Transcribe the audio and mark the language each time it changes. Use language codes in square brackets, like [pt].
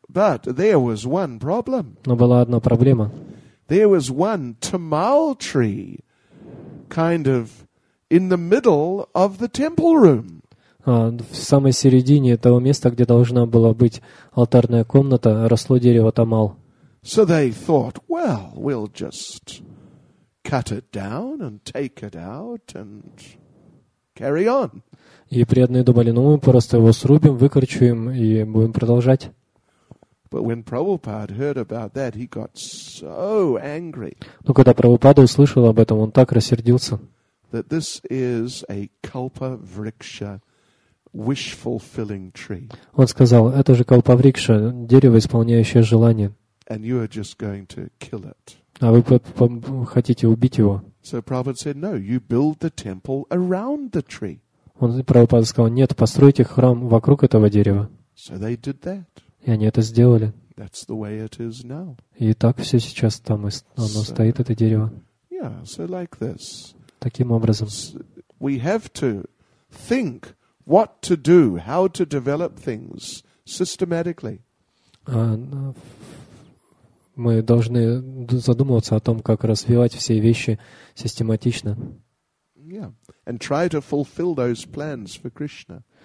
[en] But there was one problem. [ru] Но была одна проблема. [en] There was one tamal tree, kind of in the middle of the temple room. [ru] В самой середине того места, где должна была быть алтарная комната, росло дерево тамал. [en] So they thought, well, we'll just cut it down and take it out and carry on. [ru] И преданные думали, ну мы просто его срубим, выкорчуем и будем продолжать. [en] But when Prabhupada heard about that, he got so angry. [ru] Но когда Прабхупада услышал об этом, он так рассердился. [en] That this is a kalpa vriksha wish-fulfilling tree. [ru] Он сказал, это же калпаврикша, дерево, исполняющее желание. [en] And you are just going to kill it. [ru] А вы хотите убить его? [en] So Prabhupada said, no, you build the temple around the tree. [ru] Он Прабхупада сказал, нет, постройте храм вокруг этого дерева. [en] So they did that. [ru] И они это сделали. [en] That's the way it is now. [ru] И так все сейчас там оно стоит, это дерево. [en] Yeah, so like this. [ru] Таким образом. [en] We have to think what to do, how to develop things systematically. [ru] Мы должны задумываться о том, как развивать все вещи систематично. [en] Yeah. And try to fulfill those plans for Krishna.